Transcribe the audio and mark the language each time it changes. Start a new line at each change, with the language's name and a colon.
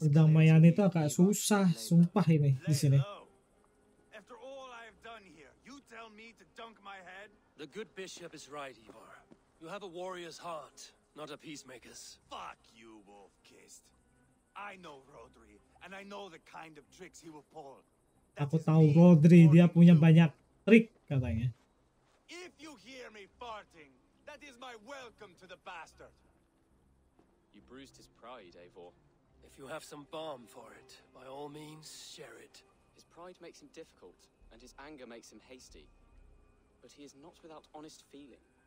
Indonesian: perdamaian itu agak susah, sumpah ini di sini.
English: After all I have done here, you tell me to dunk my head? The good bishop is right, Ivar. You have a warrior's heart, not a peacemaker's. Fuck you, wolf-kissed. I know Rodri, and I know the kind of tricks he will pull.
Indonesian: Aku tahu Rodri, dia punya banyak trik katanya.
English: If you hear me farting, that is my welcome to the bastard. You bruised his pride, Eivor. If you have some balm for it, by all means, share it. His pride makes him difficult, and his anger makes him hasty. But he is not without honest feeling.